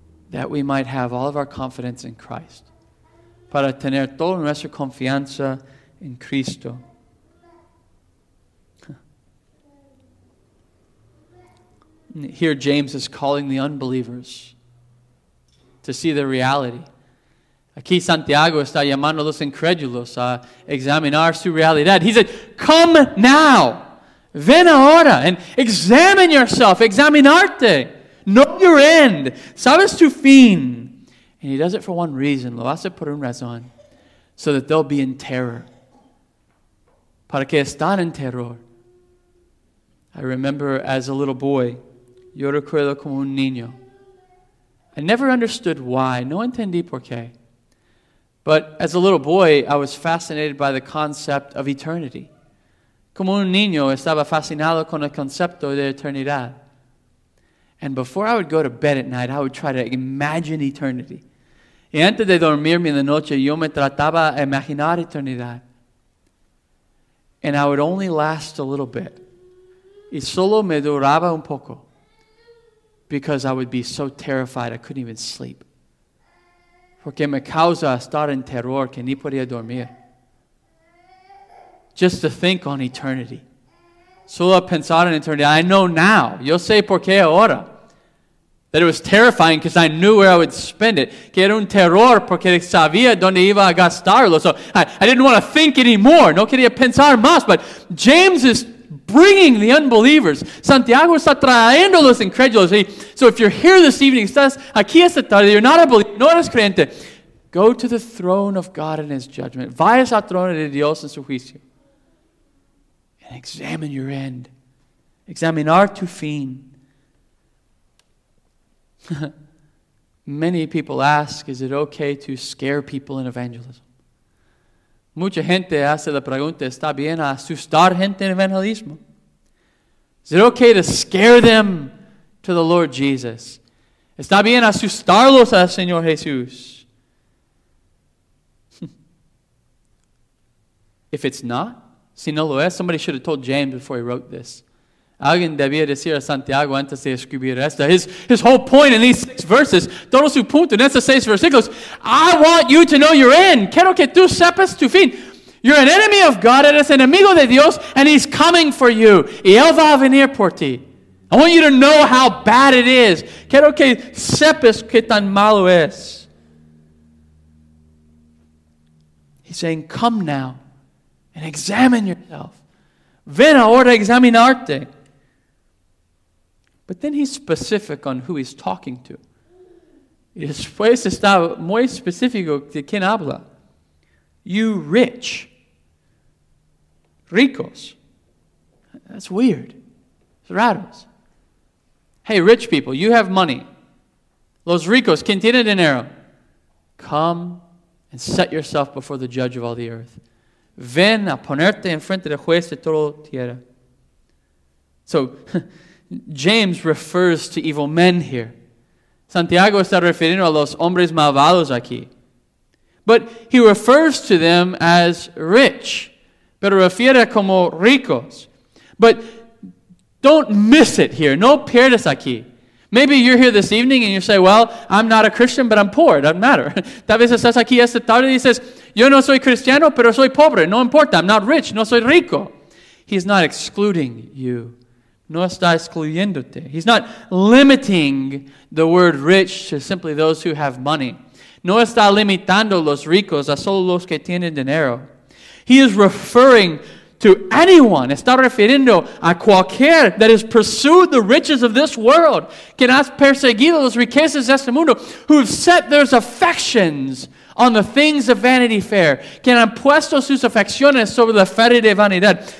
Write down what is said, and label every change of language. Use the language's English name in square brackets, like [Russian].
[English] that we might have all of our confidence in Christ. [Spanish] Para tener toda nuestra confianza en Cristo. [English] Here James is calling the unbelievers to see the reality. [Spanish] Aquí Santiago está llamando a los incrédulos a examinar su realidad. [English] He said, come now. [Spanish] Ven ahora [English] and examine yourself. [Spanish] Examinarte. [English] Know your end. [Spanish] Sabes tu fin. [English] And he does it for one reason. [Spanish] Lo hace por un razón. [English] So that they'll be in terror. [Spanish] Para que están en terror. [English] I remember as a little boy, [Spanish] yo recuerdo como un niño. [English] I never understood why. [Spanish] No entendí por qué. [English] But as a little boy, I was fascinated by the concept of eternity. [Spanish] Como un niño, estaba fascinado con el concepto de eternidad. [English] And before I would go to bed at night, I would try to imagine eternity. [Spanish] Y antes de dormirme en la noche, yo me trataba de imaginar eternidad. [English] And I would only last a little bit. [Spanish] Y solo me duraba un poco. [English] Because I would be so terrified, I couldn't even sleep. [Spanish] Porque me causa estar en terror que ni podía dormir. [English] Just to think on eternity. [Spanish] Solo pensar en eternidad. [English] I know now. [Spanish] Yo sé por qué ahora. [English] That it was terrifying because I knew where I would spend it. [Spanish] Que era un terror porque sabía dónde iba a gastarlo. [English] So I didn't want to think anymore. [Spanish] No quería pensar más. [English] But James is bringing the unbelievers. [Spanish] Santiago está trayendo los incrédulos. [English] So if you're here this evening, [Spanish] estás aquí esta tarde, [English] you're not a believer, [Spanish] no eres creyente, [English] go to the throne of God in his judgment. [Spanish] Vayas al trono de Dios en su juicio. [English] And examine your end. [Spanish] Examinar tu fin. [English] Many people ask, is it okay to scare people in evangelism? [Spanish] Mucha gente hace la pregunta, ¿está bien asustar gente en evangelismo? [English] Is it okay to scare them to the Lord Jesus? [Spanish] ¿Está bien asustarlos al Señor Jesús? [English] If it's not, [Spanish] si no lo es, [English] somebody should have told James before he wrote this. [Spanish] Alguien debía decir a Santiago antes de escribir esto. [English] His whole point in these six verses, [Spanish] todo su punto en estos seis versículos, [English] I want you to know your end. [Spanish] Quiero que tú sepas tu fin. [English] You're an enemy of God, [Spanish] eres enemigo de Dios, [English] and he's coming for you. [Spanish] Y él va a venir por ti. [English] I want you to know how bad it is. [Spanish] Quiero que sepas que tan malo es. [English] He's saying, come now and examine yourself. [Spanish] Ven ahora examinarte. [English] But then he's specific on who he's talking to. [Spanish] Y después está muy específico de quién habla. [English] You rich. Ricos. That's weird. It's raros. Hey, rich people, you have money. [Spanish] Los ricos, ¿quién tiene dinero? [English] Come and set yourself before the judge of all the earth. [Spanish] Ven a ponerte en frente del juez de toda tierra. [English] So, James refers to evil men here. [Spanish] Santiago está refiriendo a los hombres malvados aquí. [English] But he refers to them as rich. [Spanish] Pero refiere como ricos. [English] But don't miss it here. [Spanish] No pierdas aquí. [English] Maybe you're here this evening and you say, well, I'm not a Christian, but I'm poor. It doesn't matter. [Spanish] Tal vez estás aquí esta tarde y dices, yo no soy cristiano, pero soy pobre. No importa. [English] I'm not rich. [Spanish] No soy rico. [English] He's not excluding you. [Spanish] No está excluyéndote. [English] He's not limiting the word rich to simply those who have money. [Spanish] No está limitando los ricos a solo los que tienen dinero. [English] He is referring to anyone. [Spanish] Está refiriendo a cualquier [English] that has pursued the riches of this world. [Spanish] Que has perseguido los riquezas de este mundo. [English] Who have set their affections on the things of Vanity Fair. [Spanish] Que han puesto sus afecciones sobre la feria de vanidad.